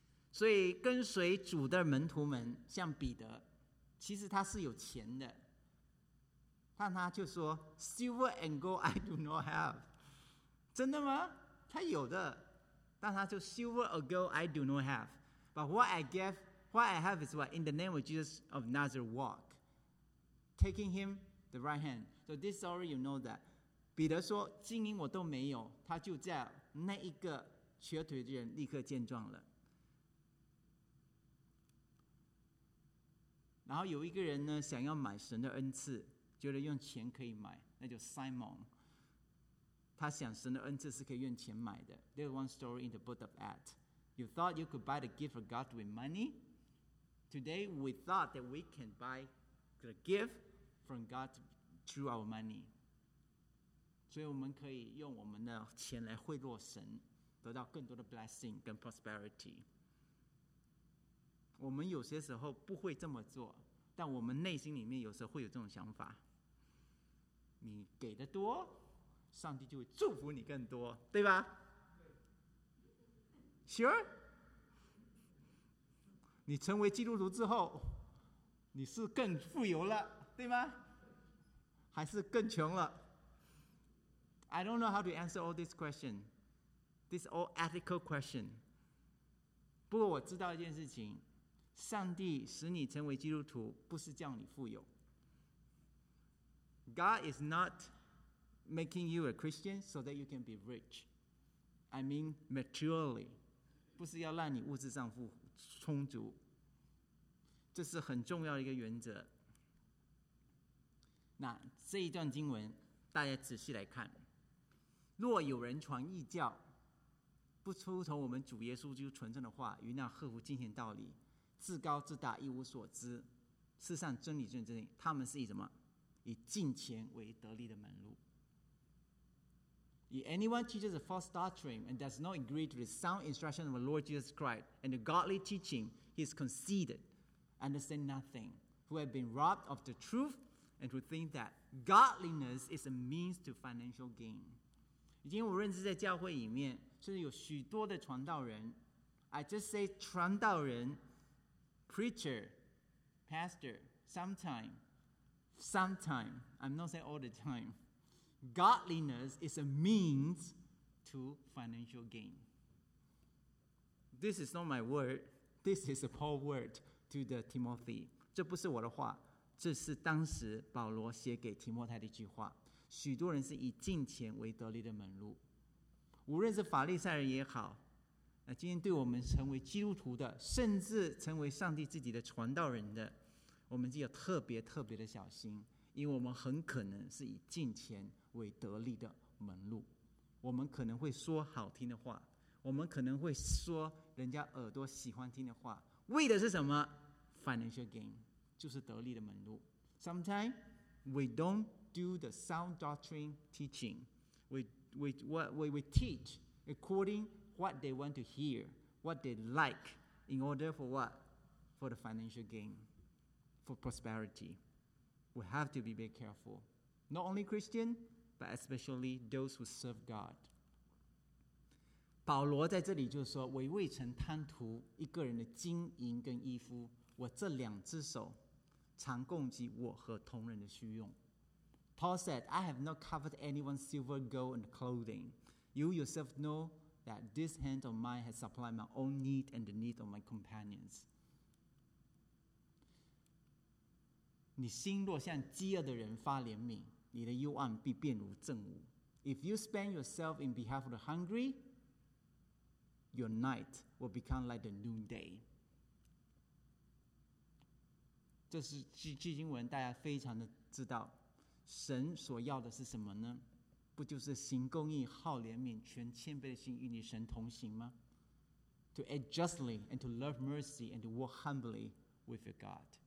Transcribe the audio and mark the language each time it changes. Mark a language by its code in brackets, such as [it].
[zh] 所以跟随主的门徒们，像彼得，其实他是有钱的，但他就说 ， [en] Silver and gold I do not have. [zh] 真的吗？他有的，但他就 [en] Silver and gold I do not have. But what I gave. What I have is what? In the name of Jesus of Nazareth, walk. Taking him the right hand. So this story, you know that. [zh] 彼得说金银我都没有，他就在那一个瘸腿的人立刻见状了。然后有一个人呢，想要买神的恩赐，觉得用钱可以买，那就 Simon。他想神的恩赐是可以用钱买的。 [en] There's one story in the book of Acts. You thought you could buy the gift of God with money? Today, we thought that we can buy the gift from God through our money. [zh] 所以我们可以用我们的钱来贿赂神，得到更多的 blessing 跟 prosperity。我们有些时候不会这么做，但我们内心里面有时候会有这种想法，你给的多，上帝就会祝福你更多，对吧？ [en] Sure? [zh] 你成为基督徒之后，你是更富有了，对吗？还是更穷了？ [en] I don't know how to answer all this question. This all ethical question. [zh] 不过我知道一件事情，上帝使你成为基督徒，不是叫你富有。 [en] God is notmaking you a Christian so that you can be rich. I mean, maturely. [zh] 不是要让你物质上充足。这是很重要的一个原则。那这一段经文大家仔细来看。若有人传异教，不出从我们主耶稣基督纯正的话与那合乎敬虔道理，自高自大，一无所知，世上真理真理，他们是以什么？以敬虔为得利的门路。 [en] If anyone teaches a false doctrine and does not agree to the sound instruction of the Lord Jesus Christ and the godly teaching, he is conceited, understands nothing, who has been robbed of the truth and who thinks that godliness is a means to financial gain. [zh] 已经我认识在教会里面，甚至有许多的传道人， [en] I just say 传道人 preacher, pastor, sometime, I'm not saying all the time,Godliness is a means to financial gain. This is not my word. This is a Paul's word to the Timothy. [zh] 这不是我的话，这是当时保罗写给提摩太的一句话。许多人是以敬虔为得利的门路，无论是法利赛人也好，今天对我们成为基督徒的，甚至成为上帝自己的传道人的，我们就要特别特别的小心，因为我们很可能是以敬虔为得利的门路。我们可能会说好听的话，我们可能会说人家耳朵喜欢听的话，为的是什么？ [en] Financial gain， [zh] 就是得利的门路。 [en] Sometimes we don't do the sound doctrine teaching. We teach according what they want to hear, what they like, in order for what? For the financial gain, for prosperity. We have to be very careful. Not only ChristianBut especially those who serve God. [zh] 保罗在这里就说，我未曾贪图一个人的金银跟衣服，我这两只手常供给我和同人的需用。 [en] Paul said, I have not coveted anyone's silver, gold and clothing. You yourself know that this hand of mine has supplied my own need and the need of my companions. [zh] 你心若向饥饿的人发怜悯，你的幽暗必变如正午。 [en] If you spend yourself in behalf of the hungry, your night will become like the noonday. [zh] 这是基经文，大家非常的知道，神所要的是什么呢？不就是行公义、好怜悯、全谦卑的心与你神同行吗？ [en] To act justly and to love mercy and to walk humbly with your God.